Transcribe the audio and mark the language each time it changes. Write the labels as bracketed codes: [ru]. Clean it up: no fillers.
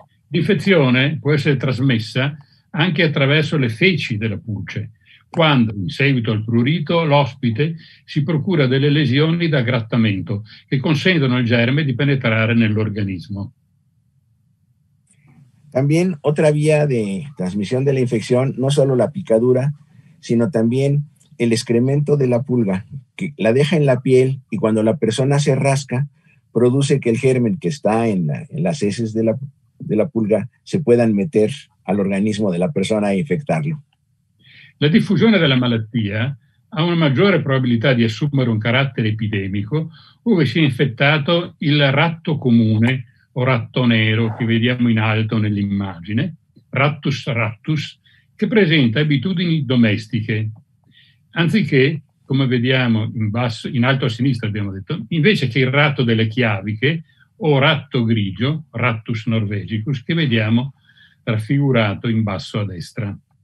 [it] L'infezione può essere trasmessa anche attraverso le feci della pulce, quando, in seguito al prurito, l'ospite si procura delle lesioni da grattamento che consentono al germe di penetrare nell'organismo. [es] También otra vía de transmisión de la infección, no solo la picadura, sino también el excremento de la pulga, que la deja en la piel y cuando la persona se rasca, produce que el germen que está en las heces de la pulga se puedan meter al organismo de la persona e infectarlo. [it] La diffusione della malattia ha una maggiore probabilità di assumere un carattere epidemico ove si è infettato il ratto comune o ratto nero che vediamo in alto nell'immagine, Rattus rattus, che presenta abitudini domestiche, anziché, come vediamo in alto a sinistra abbiamo detto, invece che il ratto delle chiaviche o ratto grigio, Rattus norvegicus, che vediamo raffigurato in basso a destra.